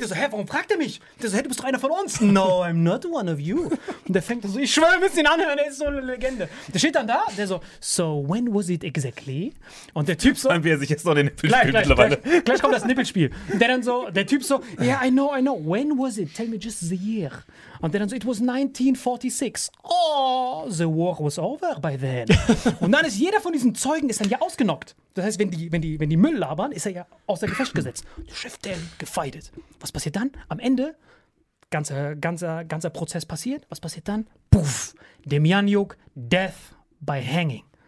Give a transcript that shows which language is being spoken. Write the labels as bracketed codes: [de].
[de] Der so, hä, warum fragt er mich? Der so, hä, du bist doch einer von uns. [en] No, I'm not one of you. [de] Und der fängt so, ich schwöre, wir müssen ihn anhören, der ist so eine Legende. Der steht dann da, der so, [en] so when was it exactly? [de] Und der Typ so. Wie er sich jetzt noch den Nippel spielt mittlerweile. Gleich kommt das Nippelspiel. Und der dann so, der Typ so, [en] yeah, I know. When was it? Tell me just the year. [de] Und dann so, [en] it was 1946. Oh, the war was over by then. [de] Und dann ist jeder von diesen Zeugen ist dann ja ausgenockt. Das heißt, wenn die Müll labern, ist er ja außer Gefecht gesetzt. Chef Dell gefeidet. Was passiert dann? Am Ende, ganzer Prozess passiert. Was passiert dann? Puff. [en] Demjanjuk, death by hanging.